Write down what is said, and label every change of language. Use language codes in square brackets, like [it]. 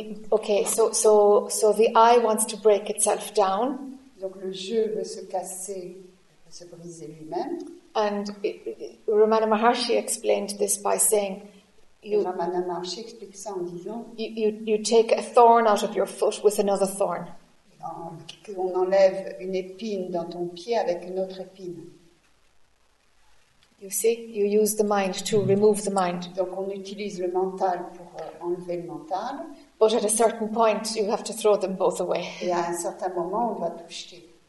[en] So the eye wants to break itself down. [fr] Donc le jeu veut se casser, veut se briser lui-même. [en] And Ramana Maharshi explained this by saying, you take a thorn out of your foot with another thorn. [fr] On enlève une épine dans ton pied avec une autre épine. [en] You see, you use the mind to remove the mind. [fr] Donc on utilise le mental pour enlever le mental. [en] But at a certain point, you have to throw them both away. [fr] Et à un certain moment, on doit tout jeter.